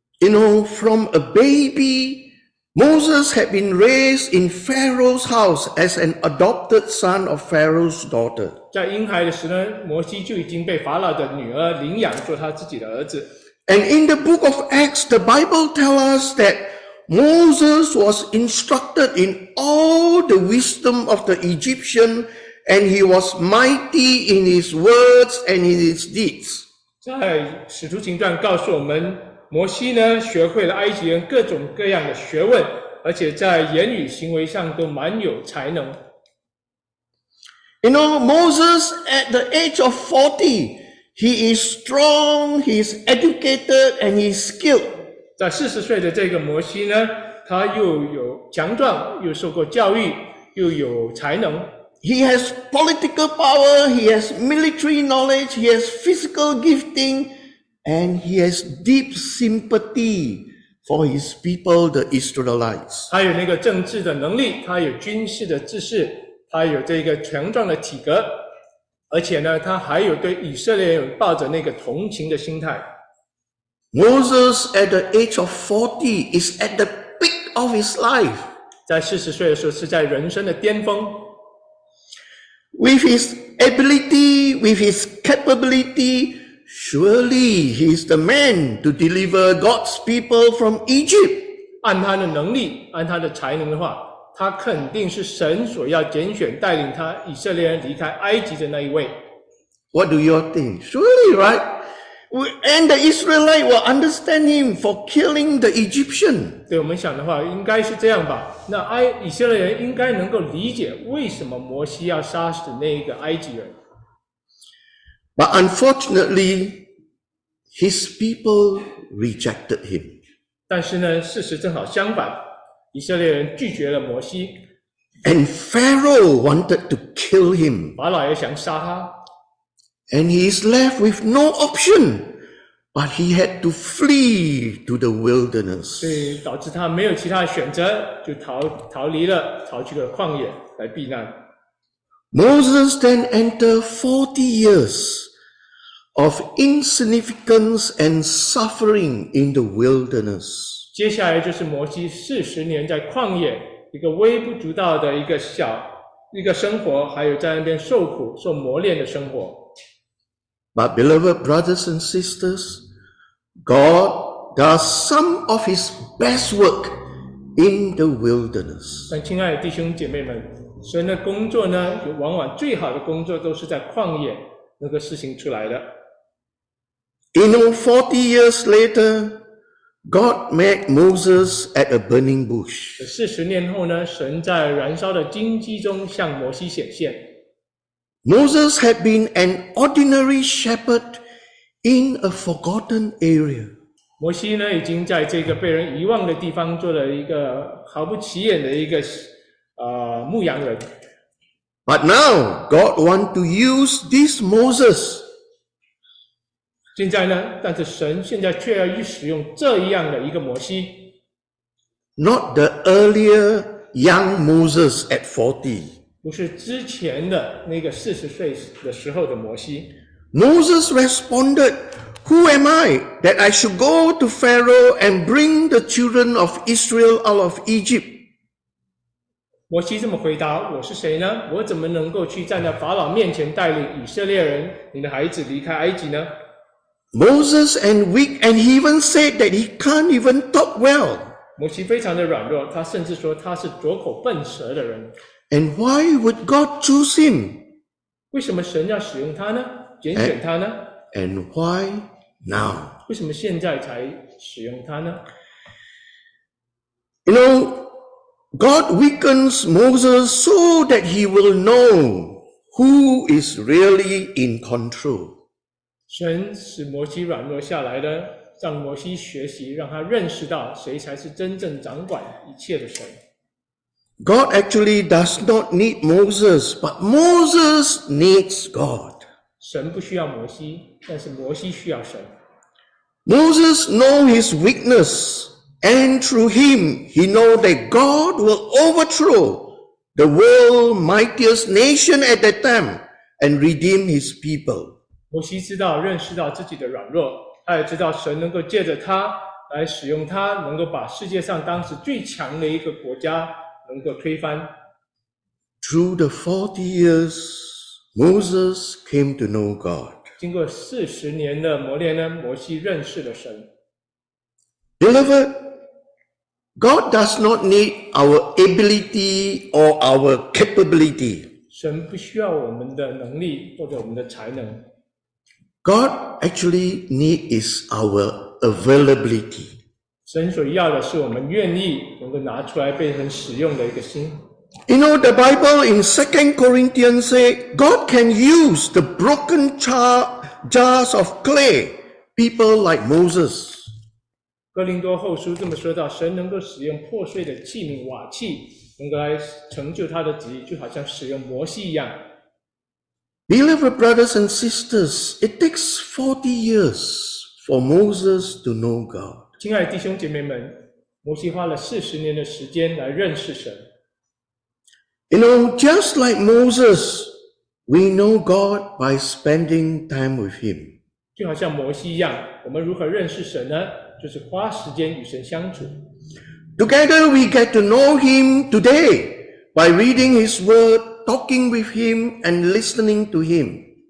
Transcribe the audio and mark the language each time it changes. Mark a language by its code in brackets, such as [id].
[en] You know, from a baby, Moses had been raised in Pharaoh's house as an adopted son of Pharaoh's daughter. [zh] 在婴孩的时候呢，摩西就已经被法老的女儿领养做他自己的儿子。 [en] And in the book of Acts, the Bible tells us that Moses was instructed in all the wisdom of the Egyptian, and he was mighty in his words and in his deeds. [zh] 在使徒行传告诉我们，摩西呢学会了埃及人各种各样的学问，而且在言语行为上都蛮有才能。 [en] You know, Moses at the age of 40, he is strong, he is educated, and he is skilled. [zh] 在40岁的这个摩西呢，他又有强壮，又受过教育，又有才能。 [en] He has political power, he has military knowledge, he has physical gifting, and he has deep sympathy for his people, the Israelites. [zh] 他有那个政治的能力，他有军事的知识，他有这个强壮的体格。而且呢，他还有对以色列人抱着那个同情的心态。 [en] Moses at the age of 40 is at the peak of his life. [zh] 在40岁的时候是在人生的巅峰。 [en] With his ability, with his capability, surely he is the man to deliver God's people from Egypt. [zh] 按他的能力，按他的才能的话，他肯定是神所要拣选带领他以色列人离开埃及的那一位。 [en] What do you think? Surely, right? And the Israelite will understand him for killing the Egyptian. [zh] 对我们想的话，应该是这样吧。那以色列人应该能够理解为什么摩西要杀死那个埃及人。 [en] But unfortunately, his people rejected him. [zh] 但是呢，事实正好相反。以色列人拒绝了摩西。 [en] And Pharaoh wanted to kill him. [zh] 法老也想杀他。 [en] And he is left with no option, but he had to flee to the wilderness. [zh] 所以导致他没有其他的选择，就逃离了，逃去了旷野来避难。 [en] Moses then entered 40 years of insignificance and suffering in the wilderness. [zh] 接下来就是摩西40年在旷野一个微不足道的一个生活，还有在那边受苦受磨练的生活。 [en] But beloved brothers and sisters, God does some of his best work in the wilderness. [zh] 但亲爱的弟兄姐妹们，神的工作呢，就往往最好的工作都是在旷野那个事情出来的。 [en] In 40 years laterGod met Moses at a burning bush. [zh] 40年后呢，神在燃烧的荆棘中向摩西显现。 [en] Moses had been an ordinary shepherd in a forgotten area. [zh] 摩西呢，已经在这个被人遗忘的地方做了一个毫不起眼的一个牧羊人。 [en] But now, God want to use this Moses. [zh] 现在呢，但是神现在却要使用这样的一个摩西。 [en] Not the earlier young Moses at 40. [zh] 不是之前的那个40岁的时候的摩西。 [en] Moses responded, Who am I that I should go to Pharaoh and bring the children of Israel out of Egypt? [zh] 摩西这么回答，我是谁呢？我怎么能够去站在法老面前带领以色列人，你的孩子离开埃及呢？ [en] Moses and weak, and he even said that he can't even talk well. [zh] 摩西非常的软弱，他甚至说他是拙口笨舌的人。 [en] And why would God choose him? [zh] 为什么神要使用他呢？拣选他呢？ [en] And why now? [zh] 为什么现在才使用他呢？ [en] You know, God weakens Moses so that he will know who is really in control. [zh] 神使摩西软弱下来的，让摩西学习，让他认识到谁才是真正掌管一切的神。 [en] God actually does not need Moses, but Moses needs God. [zh] 神不需要摩西，但是摩西需要神。 [en] Moses knows his weakness, and through him, he knows that God will overthrow the world's mightiest nation at that time and redeem his people. [zh] 摩西知道认识到自己的软弱，他也知道神能够借着他来使用他，能够把世界上当时最强的一个国家能够推翻。 [en] Through the 40 years, Moses came to know God. [zh] 经过40年的磨练呢，摩西认识了神。 [en] Beloved, God does not need our ability or our capability. [zh] 神不需要我们的能力或者我们的才能。 [en] God actually needs is our availability. [zh] 神所要的是我们愿意能够拿出来被神使用的一个心。 [en] You know, the Bible in 2 Corinthians say, God can use the broken jars of clay, people like Moses. [zh] 哥林多后书这么说到，神能够使用破碎的器皿、瓦器，能够来成就他的旨意，就好像使用摩西一样。 [en] Beloved brothers and sisters, it takes 40 years for Moses to know God. [zh] 亲爱的弟兄姐妹们，摩西花了40年的时间来认识神。 [en] You know, just like Moses We know God by spending time with Him. [zh] 就好像摩西一样，我们如何认识神呢？就是花时间与神相处。 [en] Together we get to know Him today by reading His Word, talking with Him, and listening to Him.